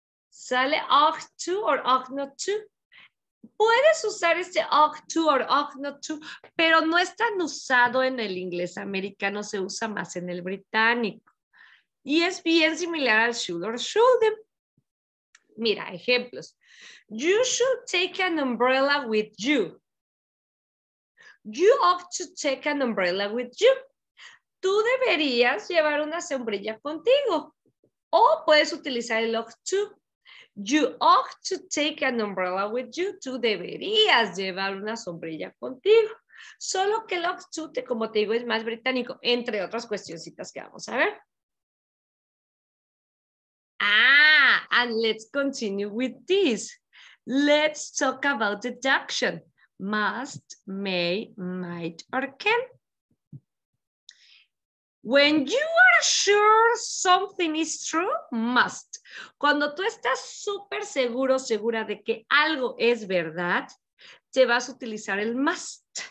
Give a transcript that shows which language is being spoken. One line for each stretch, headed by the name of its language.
Spanish: ¿Sale ought to or ought not to? Puedes usar este ought to or ought not to, pero no es tan usado en el inglés americano, se usa más en el británico. Y es bien similar al should or shouldn't. Mira, ejemplos.
English: You should take an umbrella with you. You ought to take an umbrella with you.
Spanish: Tú deberías llevar una sombrilla contigo. O puedes utilizar el ought to.
English: You ought to take an umbrella with you.
Spanish: Tú deberías llevar una sombrilla contigo. Solo que el ought to, como te digo, es más británico, entre otras cuestioncitas que vamos a ver.
English: Ah, and let's continue with this. Let's talk about deduction. Must, may, might, or can. When you are sure something is true, must.
Spanish: Cuando tú estás súper seguro, segura de que algo es verdad, te vas a utilizar el must.